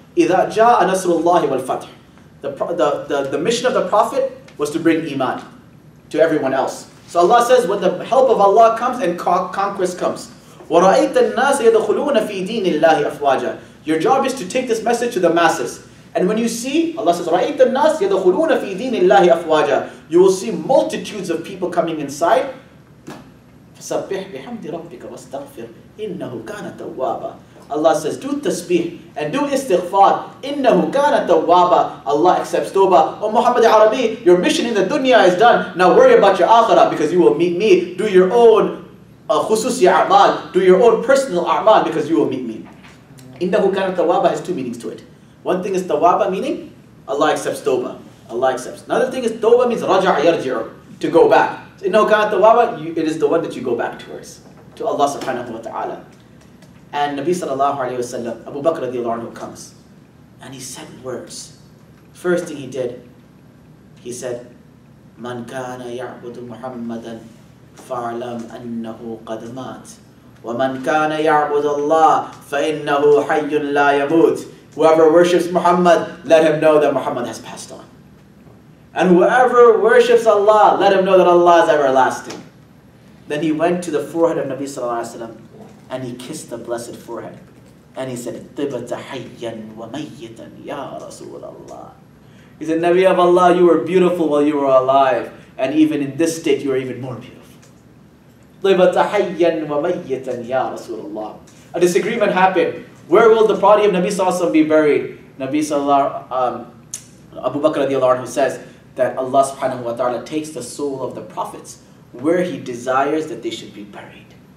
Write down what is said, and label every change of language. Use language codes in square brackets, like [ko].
[ar] إِذَا جَاءَ نَصْرُ اللَّهِ وَالْفَتْحِ [en] The mission of the Prophet was to bring Iman to everyone else. So Allah says, when the help of Allah comes and conquest comes, [ar] وَرَأَيْتَ النَّاسَ يَدَخُلُونَ فِي دِينِ اللَّهِ أَفْوَاجًا. [en] Your job is to take this message to the masses. And when you see, Allah says, [ar] رَأَيْتَ النَّاسَ يَدَخُلُونَ فِي دِينِ اللَّهِ أَفْوَاجًا. [en] You will see multitudes of people coming inside. [ar] فَسَبِّحْ بِحَمْدِ رَبِّكَ وَاسْتَغْفِرْ إِنَّهُ كَانَ تَوَّابًا. [en] Allah says, do tasbih and do istighfar. [ar] إِنَّهُ كَانَ تَوَّابًا. [en] Allah accepts tawbah. Oh Muhammad al-Arabi, your mission in the dunya is done. Now worry about your akhirah because you will meet me. Do your own khususi a'mal. Do your own personal a'mal because you will meet me. [ar] إِنَّهُ كَانَ تَوَّابًا [en] has two meanings to it. One thing is tawbah, meaning Allah accepts tawbah. Allah accepts. Another thing is tawbah means raja' yarji'u, to go back. [ar] إِنَّهُ كَانَ تَوَّابًا, [en] it is the one that you go back towards, to Allah subhanahu wa ta'ala. And Nabi sallallahu alayhi wa sallam, Abu Bakr radiallahu anhu comes. And he said words. First thing he did, he said, [ar] مَنْ كَانَ يَعْبُدُ مُحَمَّدًا فَعْلَمْ أَنَّهُ قَدْ مَاتْ وَمَنْ كَانَ يَعْبُدُ اللَّهِ فَإِنَّهُ حَيٌّ لَا يَمُوتْ. [en] Whoever worships Muhammad, let him know that Muhammad has passed on. And whoever worships Allah, let him know that Allah is everlasting. Then he went to the forehead of Nabi sallallahu alayhi wa sallam, and he kissed the blessed forehead. And he said, [ar] طِبَتَ حَيًّا وَمَيِّتًا يَا رَسُولَ اللَّهِ. [en] He said, Nabi of Allah, you were beautiful while you were alive. And even in this state, you are even more beautiful. [ar] طِبَتَ حَيًّا وَمَيِّتًا يَا رَسُولَ اللَّهِ. [en] A disagreement happened. Where will the body of Nabi sallallahu alayhi wa sallam be buried? Nabi sallallahu Abu Bakr radiallahu anhu says that Allah subhanahu wa ta'ala takes the soul of the prophets where he desires that they should be buried.